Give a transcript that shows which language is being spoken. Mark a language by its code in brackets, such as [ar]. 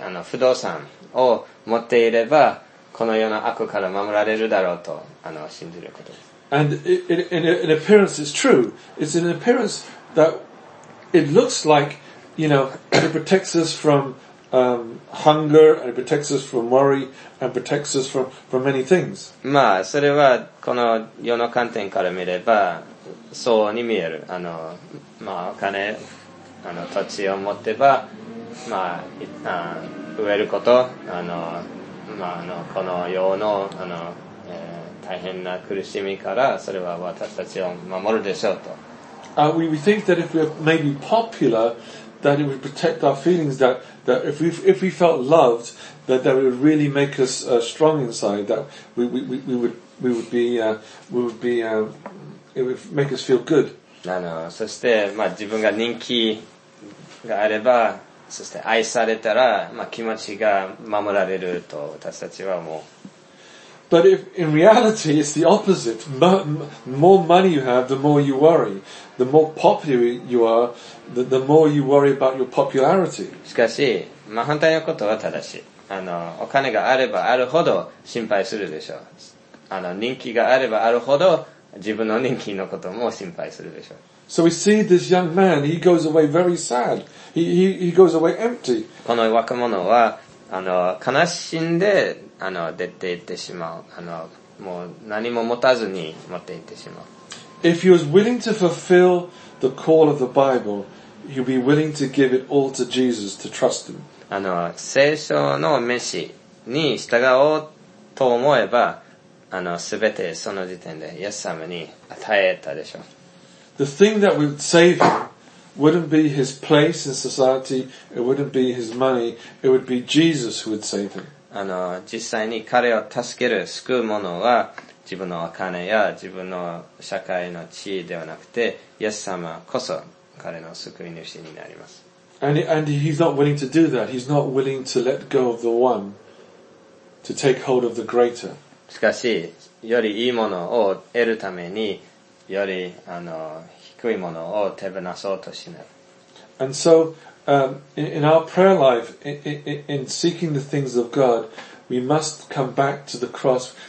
[ja] 不動産を持っていればこの世の悪から守られるだろうと信じることです。 [en] And in appearance, it's true. It's an appearance that it looks like, you know, it protects us from hunger, and it protects us from worry, and protects us from many things. [ja] まあ、それはこの世の観点から見ればそうに見える。まあ、お金、土地を持てば、まあ、一旦飢えること、まあ、この世の、大変な苦しみからそれは私たちを守るでしょうと。 [en] We think that if we are maybe popular, that it would protect our feelings. That if we felt loved, that would really make us strong inside. That we would be it would make us feel good. [ja] そして、まあ、自分が人気があれば、そして愛されたら、まあ、気持ちが守られると私たちはもう。 [en] But if in reality it's the opposite. More money you have, the more you worry. The more popular you are, the more you worry about your popularity. [ja] しかし、まあ、反対のことは正しい。お金があればあるほど心配するでしょう。人気があればあるほど自分の人気のことも心配するでしょう。 [en] So we see this young man, he goes away very sad. He goes away empty. [ja] この若者は悲しんで出て行ってしまう。もう何も持たずに持って行ってしまう。 [en] If he was willing to fulfill the call of the Bible, he'd be willing to give it all to Jesus to trust him. [ja] 聖書の召しに従おうと思えば、すべてその時点でイエス様に与えたでしょう。 [en] The thing that would save him wouldn't be his place in society, it wouldn't be his money, it would be Jesus who would save him. [ja] 実際に彼を助ける、救うものは自分のお金や自分の社会の地位ではなくて、イエス様こそ彼の救い主になります。 [en] And he's not willing to do that. He's not willing to let go of the one to take hold of the greater. [ja] しかし、より良いものを得るために、より低いものを手放そうとしない。 [en] And so,in our prayer life, in seeking the things of God, we must come back to the cross.